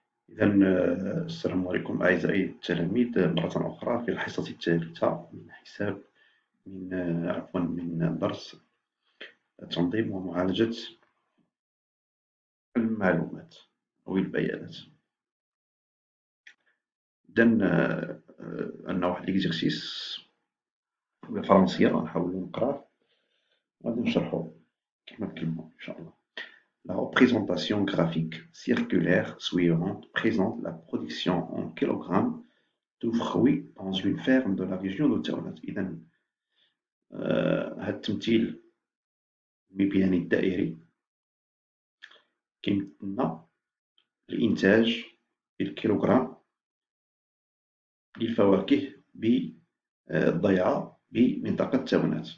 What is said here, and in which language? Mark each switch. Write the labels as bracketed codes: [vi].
[ar] إذا السلام عليكم أعزائي التلاميذ، مرة أخرى في الحصة الثالثة من حساب من عفوا من درس تنظيم ومعالجة المعلومات أو البيانات. إذا عندنا واحد الإكزرسيس بالفرنسية نحاول نقراه وغادي نشرحه كلمة بكلمة إن شاء الله. [fr] La représentation graphique circulaire suivante présente la production en kilogrammes de fruits dans une ferme de la région de Taounat. [ar] إذن هاد التمثيل المبياني الدائري كيمثلنا الإنتاج بالكيلوغرام للفواكه بالضيعة بمنطقة تاونات.